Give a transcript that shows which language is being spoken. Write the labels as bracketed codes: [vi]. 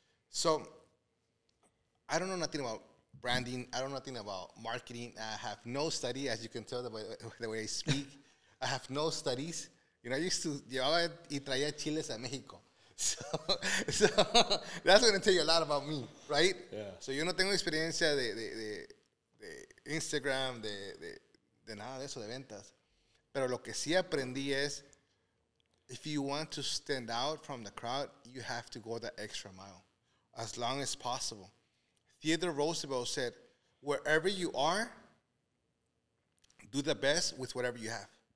[en] So, I don't know nothing about branding. I don't know nothing about marketing. I have no study, as you can tell by the way I speak. I have no studies. You know, I used to [es] llevaba y traía chiles a México. [en] So that's going to tell you a lot about me, right? Yeah. [es] So yo no tengo experiencia de Instagram, de nada de eso, de ventas. Pero lo que sí aprendí es, [en] if you want to stand out from the crowd, you have to go the extra mile, as long as possible. Theodore Roosevelt said, wherever you are, do the best with whatever you have.